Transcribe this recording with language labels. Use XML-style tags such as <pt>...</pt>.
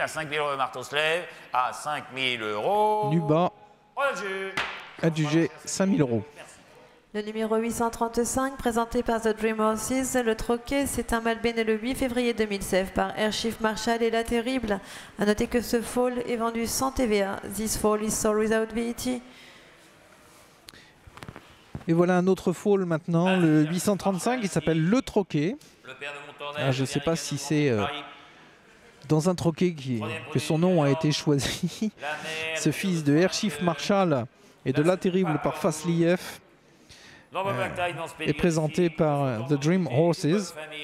<fr>À 5 000 euros, le marteau se lève. À 5 000 euros. Nuba. Au adjugé. Adjugé, 5 000 euros. Le numéro 835, présenté par The Dream Horses, le troquet, c'est un mâle béni le 8 février 2016 par Airchief Marshall et La Terrible. À noter que ce foal est vendu sans TVA.</fr> <en>This foal is sold without VAT.</en> <fr>Et voilà un autre foal maintenant, le 835, qui s'appelle Le Troquet. Alors je ne sais pas si c'est dans un troquet que son nom a été choisi. Ce fils de Airchief Marshall et de La Terrible par Faslieff est présenté par The Dream Horses.</fr>